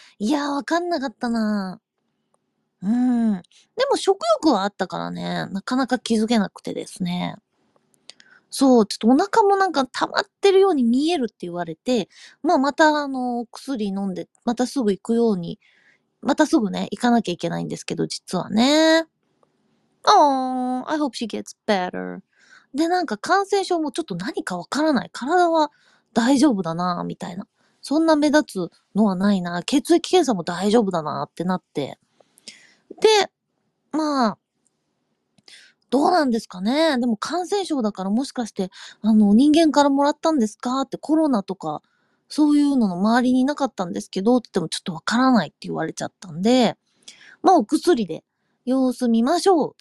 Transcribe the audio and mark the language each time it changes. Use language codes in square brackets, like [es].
[ja] いやー、わかんなかったなー。でも食欲はあったからね、なかなか気づけなくてですね。そう、ちょっとお腹もなんか溜まってるように見えるって言われて、まあまた薬飲んで、またすぐ行くように、またすぐね、行かなきゃいけないんですけど、実はね。 [en] Oh, I hope she gets better. [ja] で、なんか感染症もちょっと何かわからない。体は大丈夫だな、みたいな。そんな目立つのはないな。血液検査も大丈夫だな、ってなって。で、まあ、どうなんですかね。でも感染症だからもしかして、人間からもらったんですかって、コロナとか、そういうのの周りにいなかったんですけど、って言ってもちょっとわからないって言われちゃったんで、まあお薬で様子見ましょう。